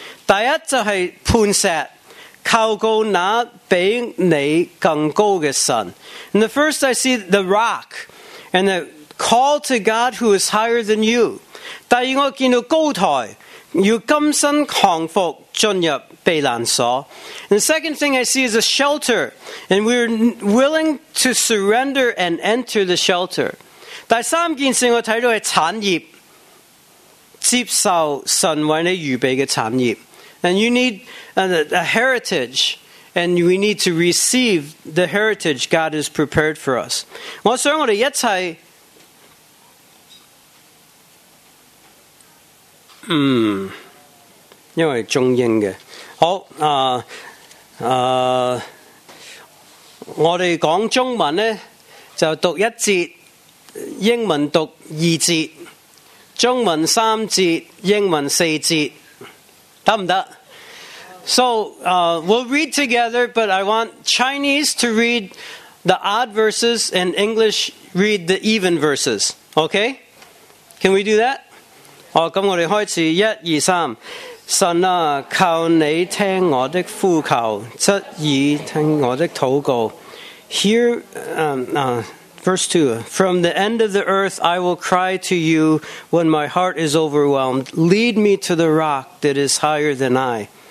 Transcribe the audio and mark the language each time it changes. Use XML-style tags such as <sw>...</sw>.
<yue>第一就系磐石，靠告那比你更高嘅神。</yue> <en>And the first I see the rock, and the call to God who is higher than you.</en> <yue>第二我见到高台，要甘心降服进入。</yue> <en>And the second thing I see is a shelter, and we're willing to surrender and enter the shelter.</en> <yue>第三件事我睇到系产业，接受神为你预备嘅产业。</yue> <en>And you need a heritage, and we need to receive the heritage God has prepared for us.</en> <yue>我想我哋一齐，因为中英嘅。好我哋讲中文呢就读一节英文读二节中文三节英文四节得唔得</yue> <en>So, we'll read together, but I want Chinese to read the odd verses and English read the even verses. Okay? Can we do that?</en> <yue>好咁我哋开始一二三。神啊，靠你听我的呼求，侧耳听我的祷告。</yue> <en>Here, verse 2. From the end of the earth, I will cry to you when my heart is overwhelmed. Lead me to the rock that is higher than I.</en>